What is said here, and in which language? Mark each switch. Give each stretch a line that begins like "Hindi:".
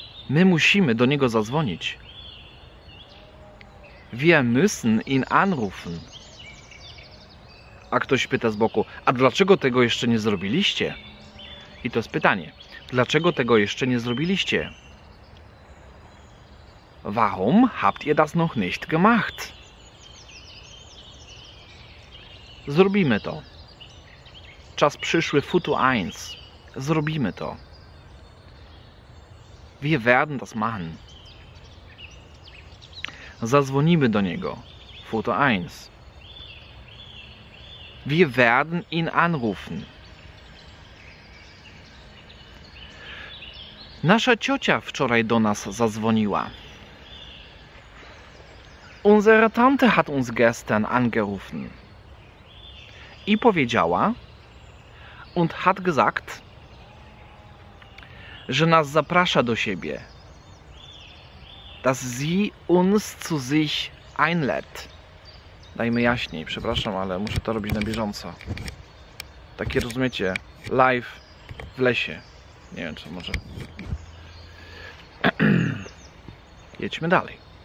Polish: My musimy do niego zadzwonić.
German: Wir müssen ihn anrufen.
Polish: A ktoś pyta z boku, a dlaczego tego jeszcze nie zrobiliście? I to jest pytanie, dlaczego tego jeszcze nie zrobiliście?
German: Warum habt ihr das noch nicht gemacht?
Polish: Zrobimy to. Czas przyszły, futu eins. Zrobimy to.
German: Wir werden das machen.
Polish: Zadzwonimy do niego. Futu eins.
German: Wir werden ihn anrufen.
Polish: Nasza ciocia wczoraj do nas zadzwoniła.
German: Unsere Tante hat uns gestern angerufen.
Polish: I powiedziała
German: und hat gesagt,
Polish: że nas zaprasza do siebie.
German: Dass sie uns zu sich einlädt.
Polish: Dajmy jaśniej, przepraszam, ale muszę to robić na bieżąco. Takie rozumiecie, live w lesie. Nie wiem, co może. Jedźmy dalej.